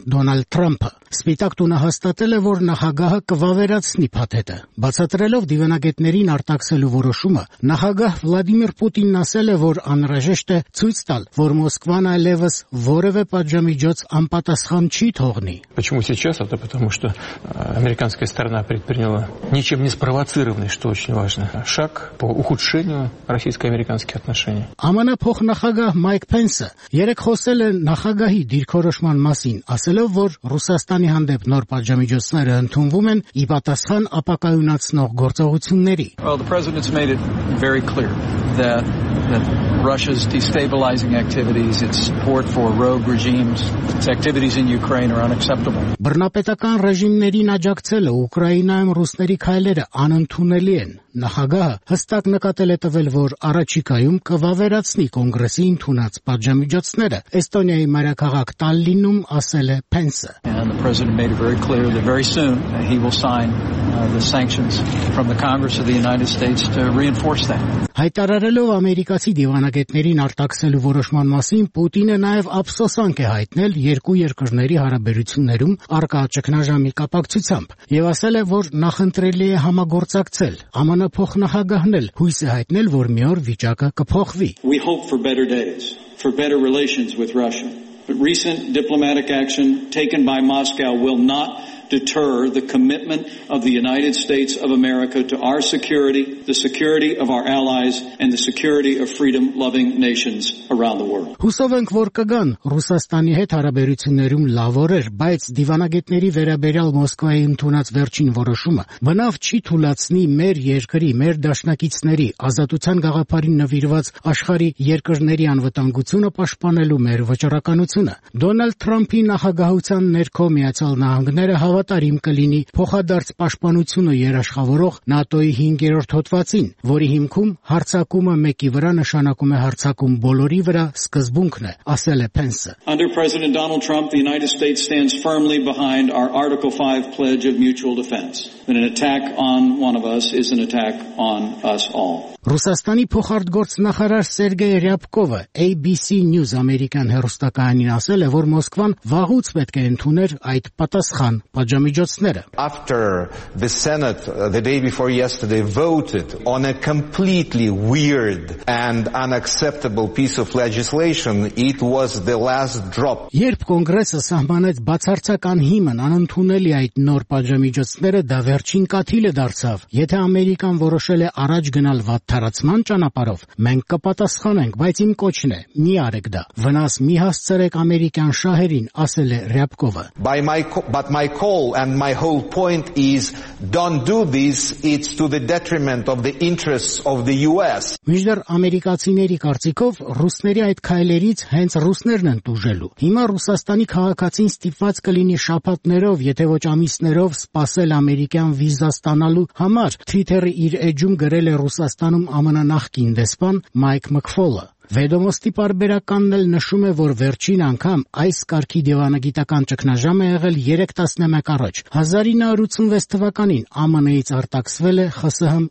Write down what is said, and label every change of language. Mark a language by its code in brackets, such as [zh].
[hy] Դոնալդ Թրամփը։ Սպիտակ տունը հաստատել է, որ նախագահը կվավերացնի փաթեթը։ Բացատրելով դիվանագետներին արտաքսելու որոշումը, նախագահ Վլադիմիր Պուտինն ասել է, որ անհրաժեշտ է ցույց տալ, որ Մոսկվան այլևս որևէ պատժամիջոց անպատասխան չի թողնի։ [ru] Почему сейчас? Это потому что американская сторона предприняла ничем не спровоцированный, что очень важно, шаг по ухудшению российско-американских отношений. [hy] Ամանա փոխնախագահ Մայք Փենսը երեք խոսել է նախագահի դիրքորոշման մասին, ասելով, որ Ռուսաստանի հանդեպ նոր պատժամիջոցները ընդունվում են ի պատասխան ապակայունացնող գործողությունների. [en] Well, the president's made it very clear that Russia's destabilizing activities, its support for rogue regimes, its activities in Ukraine are unacceptable. [hy] Բռնապետական ռեժիմներին աջակցելը Ուկրաինայում ռուսների քայլերը անընդունելի են։ Նախագահը հստակ նկատել է տվել, որ առաջիկայում կվավերացնի կոնգրեսի ընդունած պատժամիջոցները, Էստոնիայի մայրաքաղաք Տալլինում ասել է Փենսը։ [en] And the president made it very clear that very soon he will sign the sanctions from the Congress of the United States to reinforce that. [hy] Հայտարարելով ամերիկացի դիվանագետներին արտաքսելու որոշման մասին, Պուտինը նաև ափսոսանք է հայտնել երկու երկրների հարաբերություններում առկա ճգնաժամի կապակցությամբ եւ ասել է, որ նախընտրելի է համագործակցել։ ԱՄՆ փոխնախագահն էլ հույս է հայտնել, որ մի օր վիճակը կփոխվի։ [en] We hope for better days, for better relations with Russia. But recent diplomatic action taken by Moscow will not deter the commitment of the United States of America to our security, the security of our allies, and the security of freedom-loving nations around the world. [hy] Հուսով ենք, որ կգան Ռուսաստանի հետ հարաբերություններում լավ օրեր, բայց դիվանագետների վերաբերյալ Մոսկվայի ընդունած վերջին որոշումը մնավ չի թուլացնի մեր երկրի, մեր դաշնակիցների, ազատության գաղափարին նվիրված աշխարհի երկրների անվտանգությունը պաշտպանելու մեր վճռականությունը։ Դոնալդ Թրամփի նախագահության ներքո Միացյալ Նահանգները հավատարիմ կլինի փոխադարձ պաշտպանությունը երաշխավորող ՆԱՏՕ-ի 5-րդ հոդվածին, որի հիմքում հարցակումը մեկի վրա նշանակում է հարցակում բոլորի վրա սկզբունքն է, ասել է Փենսը։ [en] Under President Donald Trump, the United States stands firmly behind our Article 5 pledge of mutual defense. That an attack on one of us is an attack on us all. [hy] Ռուսաստանի փոխարտգործ նախարար Սերգեյ Ռյապկովը ABC News American հեռուստակայանին ասել է, որ Մոսկվան վաղուց պետք է ընդուներ այդ պատասխան պատժամիջոցները։ [en] After the Senate the day before yesterday voted on a completely weird and unacceptable piece of legislation, it was the last drop. [hy] Երբ կոնգրեսը սահմանեց բացարձական հիմն անընդունելի այդ նոր պատժամիջոցները, դա վերջին կաթիլը դարձավ։ Եթե Ամերիկան որոշել է առաջ գնալ հարացման ճանապարով, մենք կպատասխանենք, բայց իմ կոչն է, մի արեք դա, վնաս մի հասցրեք ամերիկյան շահերին, ասել է Ռյապկովը։ [en] But my call and my whole point is, don't do this, it's to the detriment of the interests of the US. [hy] Միջդեռ ամերիկացիների կարծիքով ռուսների այդ քայլերից հենց ռուսներն են տուժելու։ Հիմա ռուսաստանի քաղաքացին ստիպված կլինի շաբաթներով, եթե ոչ ամիսներով սպասել ամերիկյան վիզա ստանալու համար, Թվիթերը իր էջում գրել է ռուսաստանի տանում ամենանախկին դեսպան Մայք Մքֆոլը։ Վեդոմոստի պարբերականն էլ նշում է, որ վերջին անգամ այս կարգի դիվանագիտական ճգնաժամը եղել 3 տասնամյակ առաջ, 1986 թվականին ԱՄՆ-ից արտաքսվել է ԽՍՀՄ